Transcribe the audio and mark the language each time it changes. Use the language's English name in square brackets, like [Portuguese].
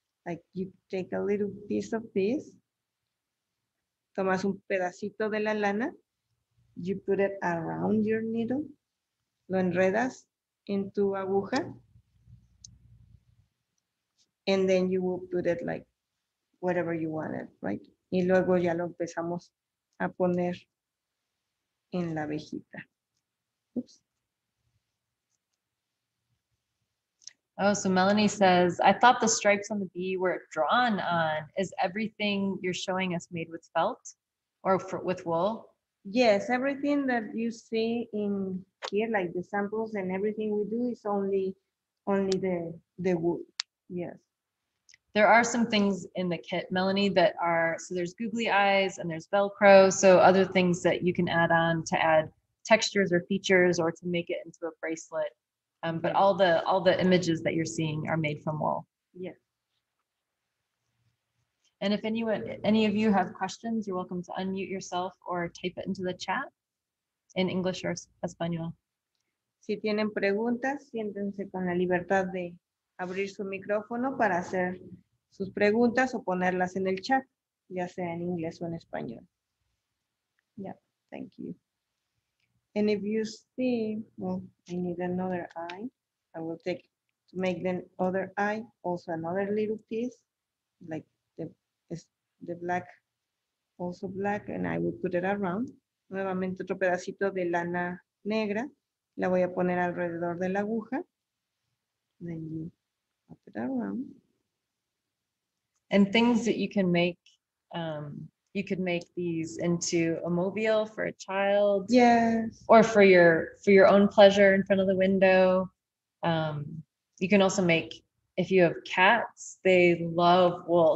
[English] Like, you take a little piece of this, [Spanish] tomas un pedacito de la lana, [English] you put it around your needle, [Spanish] lo enredas en tu aguja, [English] and then you will put it like whatever you want it, right? [Spanish] Y luego ya lo empezamos a poner en la abejita. Oops. [English] Oh, so Melanie says, I thought the stripes on the bee were drawn on. Is everything you're showing us made with felt or with wool? Yes, everything that you see in here, like the samples and everything we do, is only the wool. Yes. There are some things in the kit, Melanie, that are, so there's googly eyes and there's Velcro. So other things that you can add on to add textures or features or to make it into a bracelet. But all the images that you're seeing are made from wool. Yeah. And if any of you have questions, you're welcome to unmute yourself or type it into the chat in English or Espanol. [Spanish] Si tienen preguntas, siéntense con la libertad de abrir su micrófono para hacer sus preguntas o ponerlas en el chat, ya sea en inglés o en español. [English] Yeah, thank you. And if you see, well, I need another eye. I will take to make the other eye, also another little piece, like the black, also black, and I will put it around. [Spanish] Nuevamente otro pedacito de lana negra. La voy a poner alrededor de la aguja. [English] Then you pop it around. And things that you can make, you could make these into a mobile for a child. Yes. Or for your own pleasure in front of the window. You can also make, if you have cats, they love wool.